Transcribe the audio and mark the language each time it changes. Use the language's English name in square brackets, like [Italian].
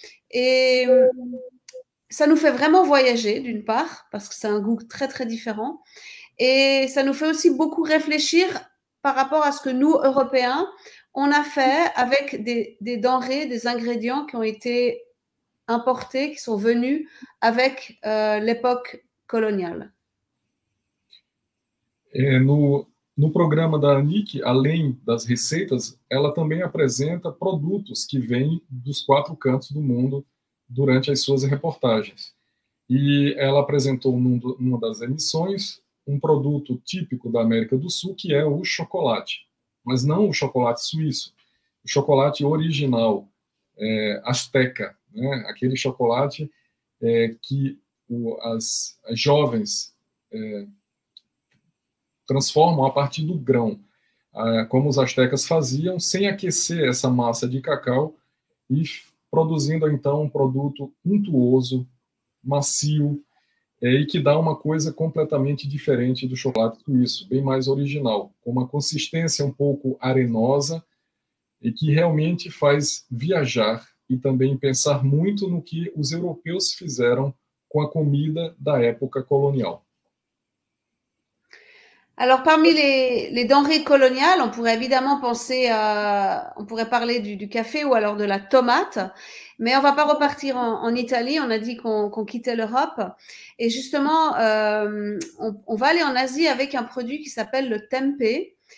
[French] Et ça nous fait vraiment voyager, d'une part, parce que c'est un goût très, très différent. Et ça nous fait aussi beaucoup réfléchir par rapport à ce que nous, Européens, on a fait avec des denrées, des ingrédients qui ont été importés, qui sont venus avec l'époque coloniale. [Portuguese] No programa da Anique, além das receitas, ela também apresenta produtos que vêm dos quatro cantos do mundo, durante as suas reportagens. E ela apresentou numa das emissões um produto típico da América do Sul, que é o chocolate. Mas não o chocolate suíço, o chocolate original, asteca, né? Aquele chocolate que as jovens transformam a partir do grão, como os astecas faziam, sem aquecer essa massa de cacau e produzindo, então, um produto untuoso, macio, e que dá uma coisa completamente diferente do chocolate suíço, bem mais original, com uma consistência um pouco arenosa e que realmente faz viajar e também pensar muito no que os europeus fizeram com a comida da época colonial. [French] Alors, parmi les denrées coloniales, on pourrait évidemment penser à, on pourrait parler du café ou alors de la tomate, mais on va pas repartir en Italie. On a dit qu'on quittait l'Europe, et justement, on va aller en Asie avec un produit qui s'appelle le tempeh.